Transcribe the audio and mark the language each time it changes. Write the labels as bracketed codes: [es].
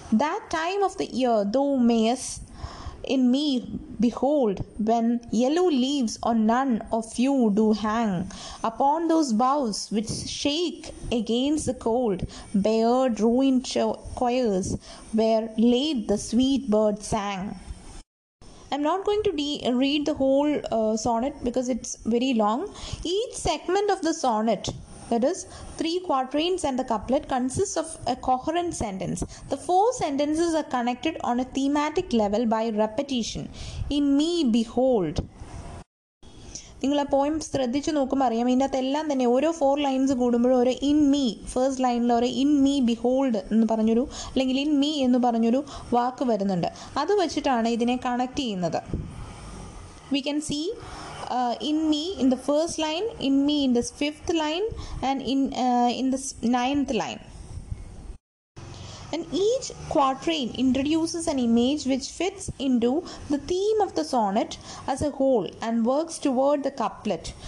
[en] That time of the year thou mayest in me behold, when yellow leaves or none of you do hang upon those boughs which shake against the cold, bared ruined choirs where late the sweet bird sang. I'm not going to read the whole sonnet because it's very long. Each segment of the sonnet, that is three quatrains and the couplet, consists of a coherent sentence. The four sentences are connected on a thematic level by repetition. In me behold, [ml] നിങ്ങൾ ആ പോയിം ശ്രദ്ധിച്ച് നോക്കുമ്പോൾ അറിയാം, ഇതിൻ്റെ അകത്ത് എല്ലാം തന്നെ ഓരോ ഫോർ ലൈൻസ് കൂടുമ്പോഴും ഒരു ഇൻ മീ ഫേഴ്സ് ലൈനിൽ ഒരു ഇൻ മീ ബിഹോൾഡ് എന്ന് പറഞ്ഞൊരു, അല്ലെങ്കിൽ ഇൻ മീ എന്ന് പറഞ്ഞൊരു വാക്ക് വരുന്നുണ്ട്. അത് വെച്ചിട്ടാണ് ഇതിനെ കണക്ട് ചെയ്യുന്നത്. [en] We can see in me in the first line, in me in the fifth line, and in the ninth line. And each quatrain introduces an image which fits into the theme of the sonnet as a whole and works toward the couplet.